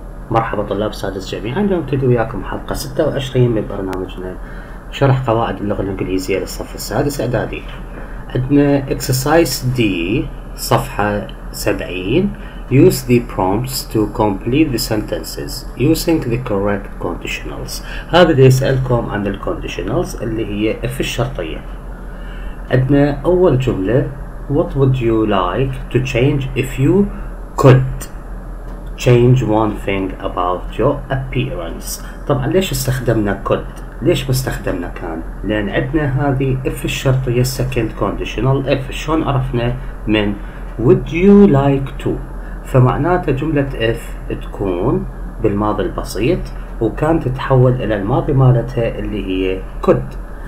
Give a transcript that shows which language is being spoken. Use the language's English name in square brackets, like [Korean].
[Arabic] مرحبا طلاب سادس جميعا، نبتدي وياكم حلقة 26 من برنامجنا شرح قواعد اللغة الإنجليزية للصف السادس إعدادي. عندنا exercise D صفحة 70. [English] Use the prompts to complete the sentences using the correct conditionals. [Arabic] هذا اللي يسألكم عن ال conditionals اللي هي if الشرطية. عندنا أول جملة: [English] What would you like to change if you could change one thing about your appearance. [Arabic] طبعا ليش استخدمنا could؟ ليش مستخدمنا كان؟ لان عندنا هذه if الشرطية second conditional if. شلون عرفنا؟ من [English] would you like to، [Arabic] فمعناته جملة if تكون بالماضي البسيط وكان تتحول الى الماضي مالتها اللي هي could.